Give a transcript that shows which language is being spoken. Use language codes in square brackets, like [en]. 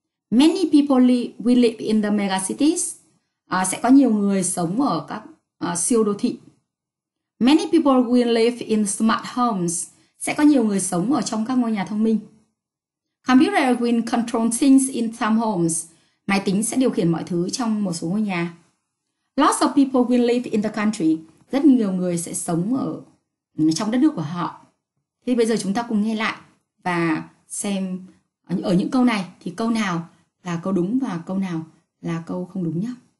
[en] Many people will live in the megacities. [vi] Sẽ có nhiều người sống ở các siêu đô thị. [en] Many people will live in smart homes. [vi] Sẽ có nhiều người sống ở trong các ngôi nhà thông minh. [en] Computer will control things in some homes. [vi] Máy tính sẽ điều khiển mọi thứ trong một số ngôi nhà. [en] Lots of people will live in the country. [vi] Rất nhiều người sẽ sống ở trong đất nước của họ. Thì bây giờ chúng ta cùng nghe lại và xem ở những câu này thì câu nào là câu đúng và câu nào là câu không đúng nhé.